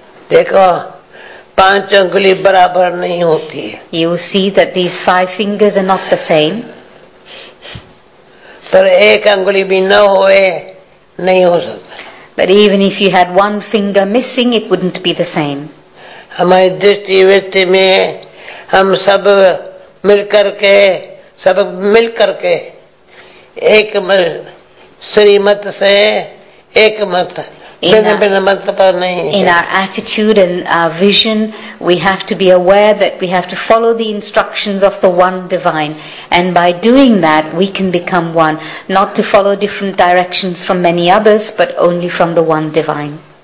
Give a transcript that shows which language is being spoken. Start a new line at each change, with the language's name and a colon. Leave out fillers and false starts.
Hindi: Dekho, panch angli barabar nahi hoti.
English: You see that these five fingers are not the same.
Hindi: Par ek angli bhi na hoye नहीं हो सकता.
English: But even if you had one finger missing, it wouldn't be the same.
Hindi: हमारी दृष्टि वृत्ति में हम सब मिलकर के एक श्रीमत से एक मत.
English: In our attitude and our vision, we have to be aware that we have to follow the instructions of the one divine. And by doing that, we can become one. Not to follow different directions from many others, but only from the one divine.